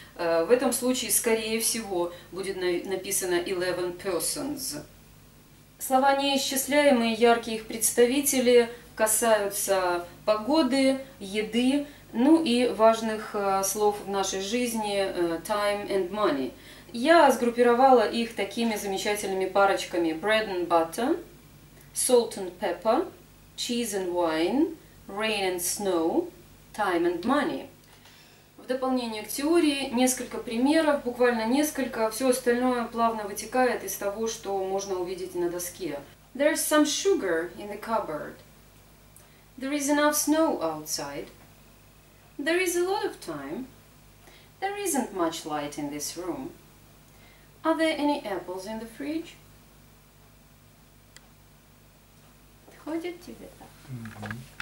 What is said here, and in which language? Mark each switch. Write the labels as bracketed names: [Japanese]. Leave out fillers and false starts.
[Russian] В этом случае, скорее всего, будет написано [English] 11 persons. [Russian] Слова неисчисляемые, яркие их представители касаются погоды, еды, ну и важных слов в нашей жизни [English] time and money. [Russian] Я сгруппировала их такими замечательными парочками: [English] bread and butter, salt and pepper, cheese and wine, rain and snow, time and money. [Russian] В дополнение к теории несколько примеров, буквально несколько, все остальное плавно вытекает из того, что можно увидеть на доске. [English] There's some sugar in the cupboard. There is enough snow outside. There is a lot of time. There isn't much light in this room. Are there any apples in the fridge? [Russian] Подходит тебе так? Mm-hmm.